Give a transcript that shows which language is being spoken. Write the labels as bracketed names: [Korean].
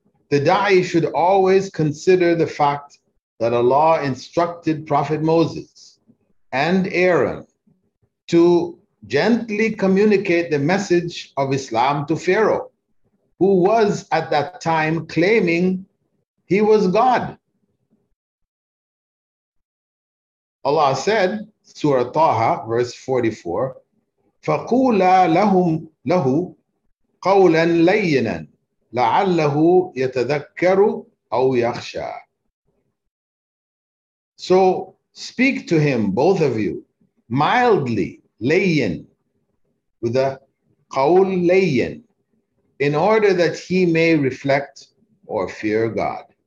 [English] The da'i should always consider the fact that Allah instructed Prophet Moses and Aaron to gently communicate the message of Islam to Pharaoh, who was at that time claiming he was God. Allah said, Surah Taha, verse 44, [Arabic] فَقُولَا لَهُمْ لَهُ قَوْلًا لَيِّنًا لَعَلَّهُ يَتَذَكَّرُ أَوْ يَخْشَى. [English] So speak to him, both of you, mildly, layyin, with a qawl layyin, in order that he may reflect or fear God.